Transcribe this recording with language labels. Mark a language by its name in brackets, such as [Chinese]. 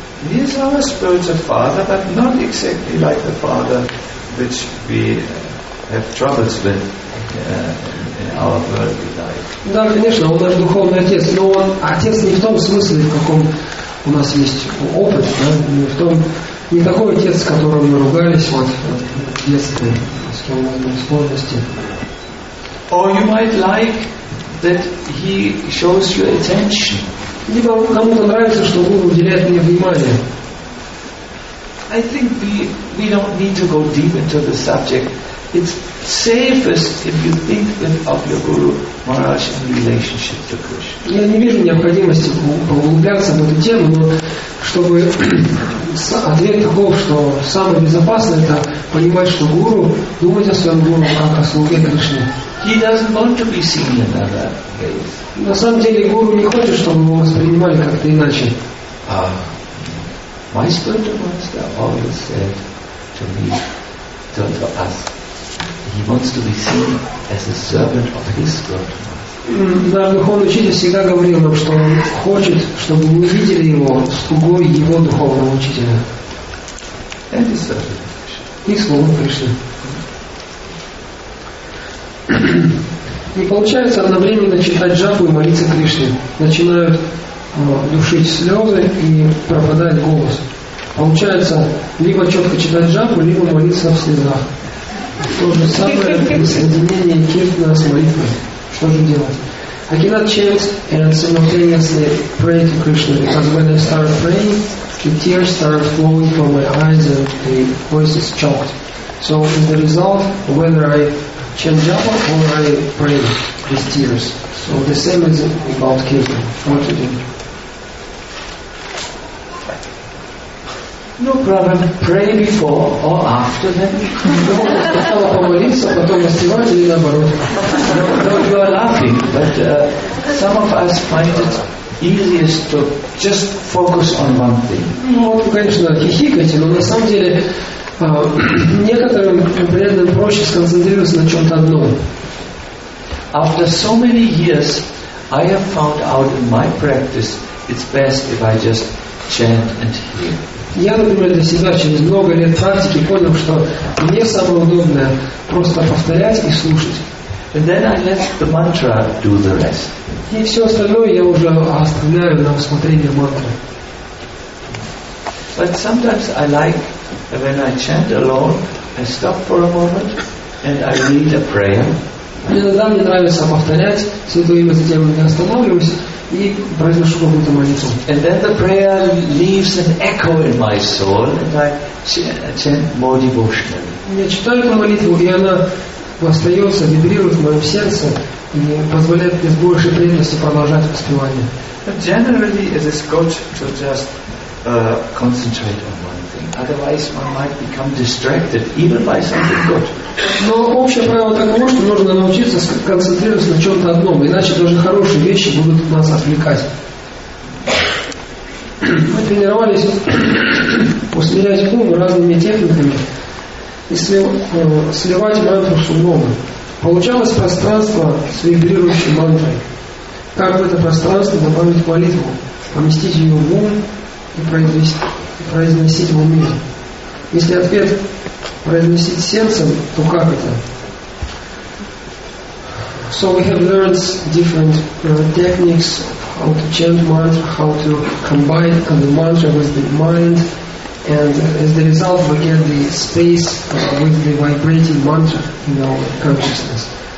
[English] He is our spiritual father, but not exactly like the father which we have troubles with in our worldly life. [Russian] Да, конечно, он наш духовный отец, но он отец не в том смысле, в каком у нас есть опыт, да, не в том, не такой отец, с которым мы ругались вот в детстве, с кем у нас были сложности. [English] Or you might like that he shows you attention. [Russian] Либо кому-то нравится, что он уделяет мне внимание. [English] I think we don't need to go deep into the subject. It's safest if you think of your guru Maharaj in relationship to Krishna. [Russian] Я не вижу необходимости углубляться в эту тему, но чтобы ответ таков, что самое безопасное это понимать, что гуру, думать о своем гуру как о слуге Кришне. [English] He doesn't want to be seen in another way. [Russian] На самом деле гуру не хочет, чтобы его воспринимали как-то иначе. [English] My spiritual master always said to me, to us, he wants to be seen as a servant of his spiritual master. [Russian] Наш духовный учитель всегда говорил нам, что он хочет, чтобы мы видели его слугой его духовного учителя. [English] And his servant of Krishna. [Russian] И слугу Кришны. И получается одновременно читать джапу и молиться Кришне. Начинают душить слезы и пропадает голос. Получается, либо четко читать джапу, либо молиться в слезах. То же самое соединение киртана с молитвой. Что же делать? [English] I cannot chant and simultaneously pray to Krishna, because when I start praying, the tears start flowing from my eyes and the voice is choked. So as a result, whether I chant japa or I pray with tears. So the same is about kirtan. What to do? No problem. Pray before or after them. No, you are laughing, but some of us find it easiest to just focus on one thing. [Russian] Ну, конечно, хихикайте, но на самом деле некоторым преданным проще сконцентрироваться на чем-то одном. [English] After so many years, I have found out in my practice it's best if I just chant and hear. [Russian] Я, например, для себя через много лет практики понял, что мне самое удобное просто повторять и слушать. [English] And then I let the mantra do the rest. [Russian] И все остальное я уже оставляю на усмотрение мантры. [English] But sometimes I like when I chant alone, I stop for a moment and I read a prayer. [Russian] Иногда мне нравится повторять святое имя, затем я останавливаюсь и произношу какую-то молитву. [English] And then the prayer leaves an echo in my soul and I chant more devotionally. [Russian] Я читаю эту молитву, и она остается, вибрирует в моем сердце и позволяет мне с большей преданностью продолжать воспевание. [English] But generally it is good to just concentrate on one thing. Otherwise one might become distracted even by something good. [Russian] Но общее правило таково, что нужно научиться концентрироваться на чем-то одном, иначе даже хорошие вещи будут нас отвлекать. Мы тренировались усмирять ум разными техниками и сливать мантру с умом. Получалось пространство с вибрирующей мантрой. Как в это пространство добавить молитву, поместить ее в ум и произносить в уме? Если ответ произносить сердцем, то как это? [English] So we have learned different techniques how to chant mantra, how to combine the mantra with the mind, and as the result we get the space with the vibrating mantra in our consciousness.